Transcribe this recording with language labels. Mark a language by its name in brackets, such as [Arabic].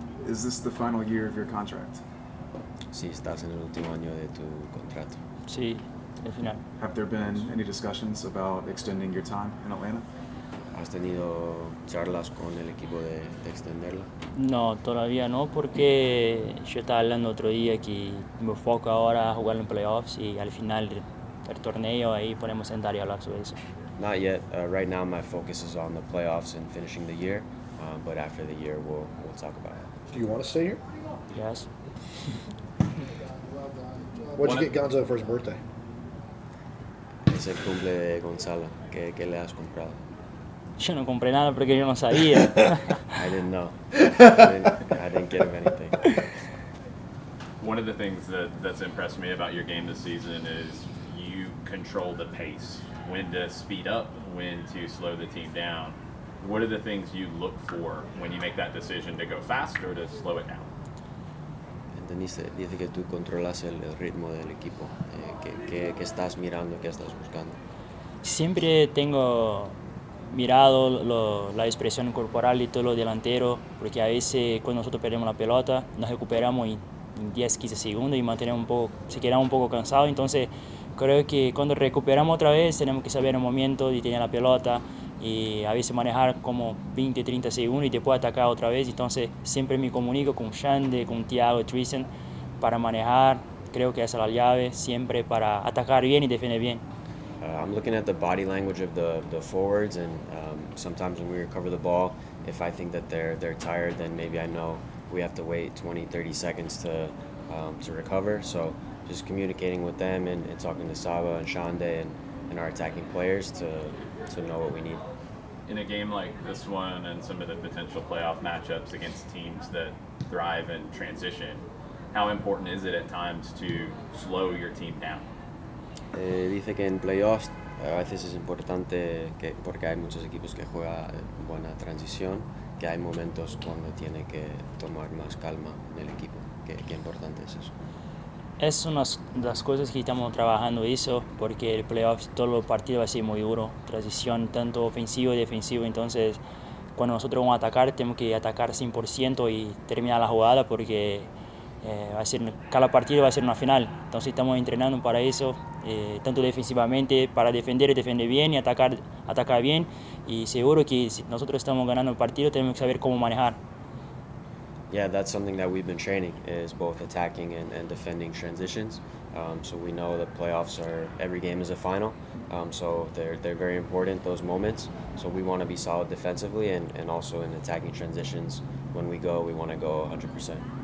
[English] Is this the final year of your contract? [Spanish] Sí, estás en el último año de tu contrato. Sí, al final. [English] Have there been any discussions about extending your time in Atlanta? [Spanish] ¿Has tenido charlas con el equipo de extenderla? No, todavía no, porque yo estaba hablando otro día que me enfoco ahora a jugar en playoffs y al final del torneo ahí podemos sentar y hablar sobre eso. [English] Not yet. Right now my focus is on the playoffs and finishing the year, but after the year we'll talk about it. Do you want to stay here? Yes. What'd you get Gonzo for his birthday? [Spanish] Es el cumple de Gonzalo. ¿Qué le has comprado? Yo no compré nada porque yo no sabía. [English] I didn't get him anything. One of the things that's impressed me about your game this season is you control the pace. When to speed up, when to slow the team down. What are the things you look for when you make that decision to go fast or to slow it down? [Spanish] Entendiste, dice que tú controlas el ritmo del equipo. ¿Qué estás mirando, qué estás buscando? Siempre tengo mirado la expresión corporal y todo lo delantero, porque a veces cuando nosotros perdemos la pelota nos recuperamos en 10-15 segundos y mantenemos un poco, se quedamos un poco cansados. Entonces creo que cuando recuperamos otra vez tenemos que saber el momento de tener la pelota y a veces manejar como 20-30 segundos y después atacar otra vez. Entonces siempre me comunico con Shande, con Thiago, Tristan para manejar. Creo que esa es la llave siempre para atacar bien y defender bien. [English] I'm looking at the body language of the forwards, and sometimes when we recover the ball, if I think that they're tired, then maybe I know we have to wait 20-30 seconds to recover. So just communicating with them and talking to Saba and Shande and our attacking players to know what we need. In a game like this one and some of the potential playoff matchups against teams that thrive in transition, how important is it at times to slow your team down? [Spanish] Dice que en playoffs a veces es importante que, porque hay muchos equipos que juegan buena transición, que hay momentos cuando tiene que tomar más calma en el equipo. ¿Qué importante es eso? Es una de las cosas que estamos trabajando eso, porque el playoffs todos los partidos va a ser muy duro, transición tanto ofensivo y defensivo. Entonces cuando nosotros vamos a atacar tenemos que atacar 100% y terminar la jugada, porque va a ser, cada partido va a ser una final. Entonces estamos entrenando para eso, tanto defensivamente, para defender y defender bien y atacar bien. Y seguro que si nosotros estamos ganando el partido tenemos que saber cómo manejar. [English] Yeah, that's something that we've been training, is both attacking and defending transitions. So we know the playoffs are, every game is a final. So they're very important, those moments. So we want to be solid defensively and also in attacking transitions. When we want to go 100%.